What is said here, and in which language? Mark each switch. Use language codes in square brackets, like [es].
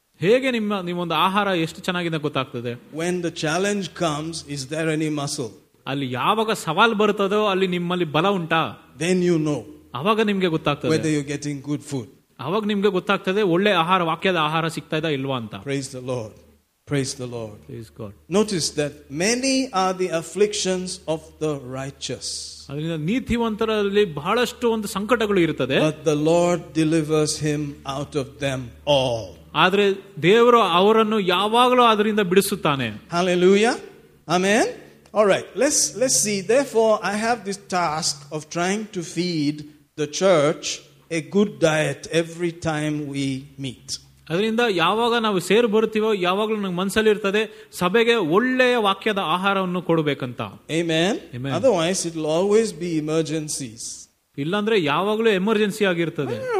[kn] ಹೇಗೆ ನಿಮ್ಮೊಂದು ಆಹಾರ ಎಷ್ಟು ಚೆನ್ನಾಗಿದೆ ಗೊತ್ತಾಗ್ತದೆ [en] when the challenge comes is there any muscle [kn] ಅಲ್ಲಿ ಯಾವಾಗ ಸವಾಲು ಬರುತ್ತದೋ ಅಲ್ಲಿ ನಿಮ್ಮಲ್ಲಿ ಬಲ ಉಂಟಾ [en] then you know [kn] ಅವಾಗ ನಿಮ್ಗೆ ಗೊತ್ತಾಗ್ತದೆ [en] whether you're getting good food [kn] ಅವಾಗ ನಿಮ್ಗೆ ಗೊತ್ತಾಗ್ತದೆ ಒಳ್ಳೆ ಆಹಾರ ವಾಕ್ಯದ ಆಹಾರ ಸಿಗ್ತಾ ಇದೆ ಇಲ್ವಾ ಅಂತ [en] praise the lord praise the lord praise god notice that many are the afflictions of the righteous [kn] ಅದರಿಂದ ನೀತಿವಂತರಲ್ಲಿ ಬಹಳಷ್ಟು ಒಂದು ಸಂಕಟಗಳು ಇರುತ್ತದೆ [en] but the lord delivers him out of them all [kn] ಆದರೆ ದೇವರು ಅವರನ್ನು ಯಾವಾಗಲೂ ಅದರಿಂದ ಬಿಡಿಸುತ್ತಾನೆ [en] hallelujah amen All right, let's see. Therefore, I have this task of trying to feed the church a good diet every time we meet. [kn] ಅದರಿಂದ ಯಾವಾಗ ನಾವು ಸೇರಿ ಬರುತ್ತೀವೋ ಯಾವಾಗಲೂ ನಮ್ಮ ಮನಸ್ಸಲ್ಲಿ ಇರ್ತದೆ ಸಭೆಗೆ ಒಳ್ಳೆಯ ವಾಕ್ಯದ ಆಹಾರವನ್ನು ಕೊಡಬೇಕಂತ. [en] Amen. Otherwise, it'll always be emergencies. [kn] ಇಲ್ಲಾಂದ್ರೆ ಯಾವಾಗಲೂ ಎಮರ್ಜೆನ್ಸಿ ಆಗಿರ್ತದೆ.